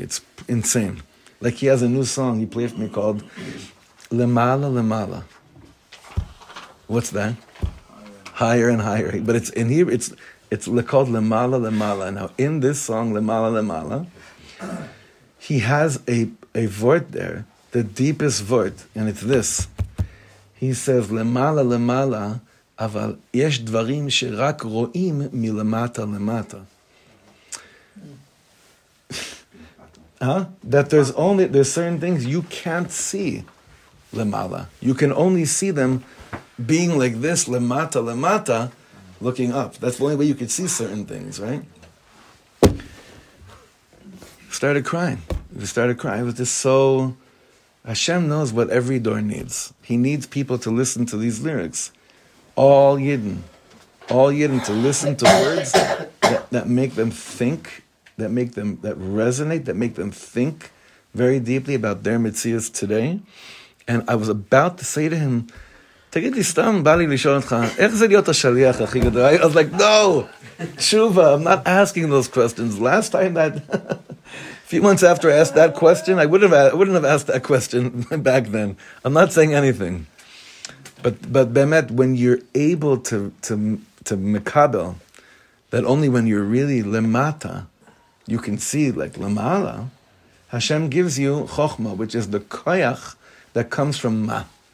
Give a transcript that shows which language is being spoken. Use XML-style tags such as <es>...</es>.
<en>It's insane. Like, he has a new song he played for me called Lemala Lemala. What's that? Higher and higher. But it's in here, it's called Lemala Lemala. Now, in this song, Lemala Lemala, he has a vort there, the deepest vort, and it's this. He says, Lemala Lemala,</en> <he>אבל יש דברים שרק רואים מלמטה למטה.</he> <en>That there's certain things you can't see למעלה. You can only see them being like this, למטה למטה, looking up. That's the only way you could see certain things, right? Started crying. It was just so... Hashem knows what every door needs. He needs people to listen to these lyrics. All Yidden to listen to words that make them think, that resonate, that make them think very deeply about their Metzias today. And I was about to say to him,</en> <he>תגיד לי, סתם בא לי לשאול אותך, איך זה להיות השליח הכי גדול?</he> <en>I was like, no! תשובה, I'm not asking those questions. Last time that... A few months after I asked that question, I wouldn't have asked that question back then. I'm not saying anything. But Bemet, when you're able to mekabel, that only when you're really lemata, you can see like lemala, Hashem gives you chokhma, which is the koyach that comes from ma.</en>